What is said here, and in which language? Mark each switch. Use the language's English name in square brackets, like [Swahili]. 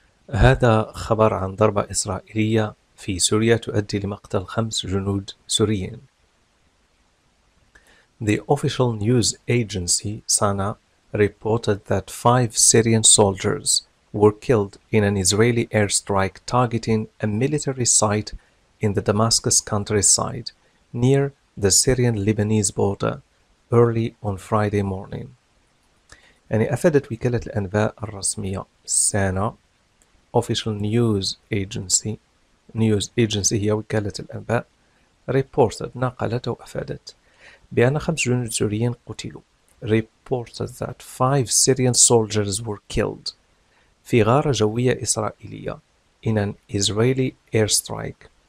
[Arabic] هذا خبر عن ضربة إسرائيلية في سوريا تؤدي لمقتل 5 جنود سوريين. [English] The official news agency Sana reported that 5 Syrian soldiers were killed in an Israeli airstrike targeting a military site in the Damascus countryside near the Syrian-Lebanese border early on Friday morning. [Arabic] يعني أفادت وكالة الأنباء الرسمية سانا [English] Official News Agency News Agency [Arabic] هي وكالة الأنباء reported نقلت وأفادت بأن 5 جنود سوريين قتلوا [English] reported that 5 Syrian soldiers were killed [Arabic] في غارة جوية إسرائيلية [English] in an Israeli airstrike